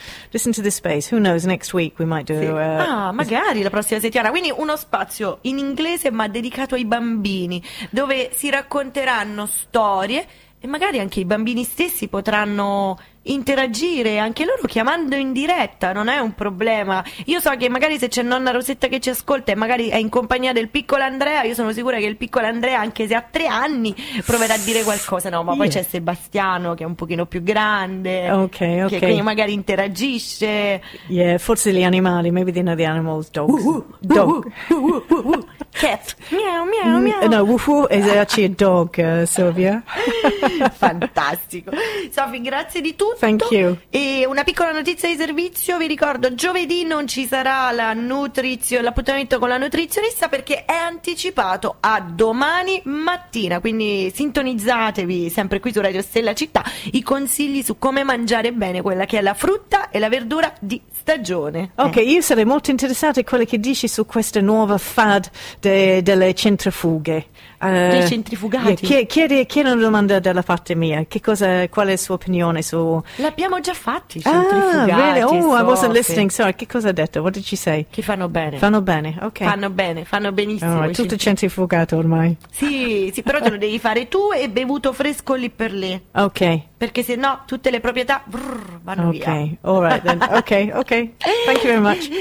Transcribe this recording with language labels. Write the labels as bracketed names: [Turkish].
[English] Listen to this space. Who knows, next week we might do... [Italian] Magari la prossima settimana. Quindi uno spazio in inglese ma dedicato ai bambini, dove si racconteranno storie. E magari anche i bambini stessi potranno interagire anche loro chiamando in diretta, non è un problema. Io so che magari se c'è nonna Rosetta che ci ascolta e magari è in compagnia del piccolo Andrea, io sono sicura che il piccolo Andrea, anche se ha 3 anni, proverà a dire qualcosa. No, ma poi c'è Sebastiano che è un pochino più grande. Ok. Che quindi magari interagisce. [English] Yeah, [Italian] forse gli animali, [English] maybe they know the animals, dogs. Dog. Cat. Miau, miau, miau. No, woo-hoo is actually a dog, Sylvia. [Italian] Fantastico. Sofì, grazie di tutto. [English] Thank you. [Italian] E una piccola notizia di servizio, vi ricordo, giovedì non ci sarà l'appuntamento con la nutrizionista perché è anticipato a domani mattina, quindi sintonizzatevi sempre qui su Radio Stella Città, i consigli su come mangiare bene quella che è la frutta e la verdura di stagione. Ok, io sarei molto interessata a quello che dici su questa nuova fad delle centrifughe. Dei centrifugati. Chiedi una domanda dalla parte mia. Qual è la sua opinione su... L'abbiamo già fatti, i centrifugati. [English] Really? I wasn't listening, sorry. [Italian] Che cosa ha detto? [English] What did she say? [Italian] Che fanno bene. Fanno bene, ok. Fanno bene, fanno benissimo. Allora, tutto centrifugato ormai. Sì, però te lo devi fare tu e bevuto fresco lì per lì. Ok. Perché se no tutte le proprietà vanno via. Okay. [English] All right then. Okay. Thank you very much.